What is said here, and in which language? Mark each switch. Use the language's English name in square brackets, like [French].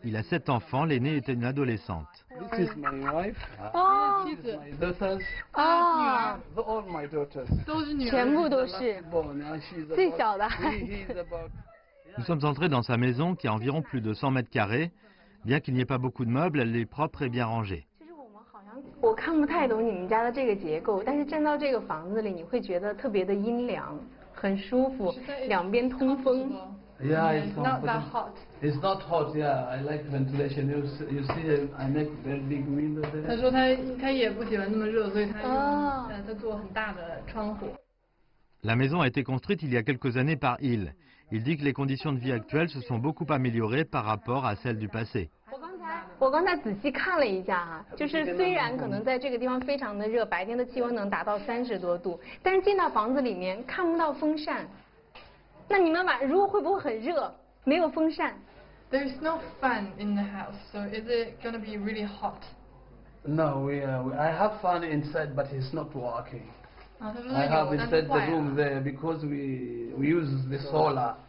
[French] Il a 7 enfants, l'aînée était une adolescente. Nous sommes entrés dans sa maison qui a environ plus de 100 mètres carrés. Bien qu'il n'y ait pas beaucoup de meubles, elle est propre et bien rangée. [Chinese] 我看不太懂你们家的这个结构，但是站到这个房子里，你会觉得特别的阴凉。很舒服，两边通风。 [English] Yeah, it's not that hot. It's not hot. Yeah, I like ventilation. You see, I make very big window there. [Chinese] 他说他也不喜欢那么热，所以他做很大的窗户。 [French] La maison a été construite il y a quelques années par Hill. Il dit que les conditions de vie actuelles se sont beaucoup améliorées par rapport à celles du passé. [Chinese] 我刚才仔细看了一下哈，就是虽然可能在这个地方非常的热，白天的气温能达到30多度，但是进到房子里面看不到风扇。那你们晚如果会不会很热？没有风扇。 [English] There's no fan in the house, so is it gonna be really hot? No, I have fan inside, but it's not working. I have inside the room there because we use the solar.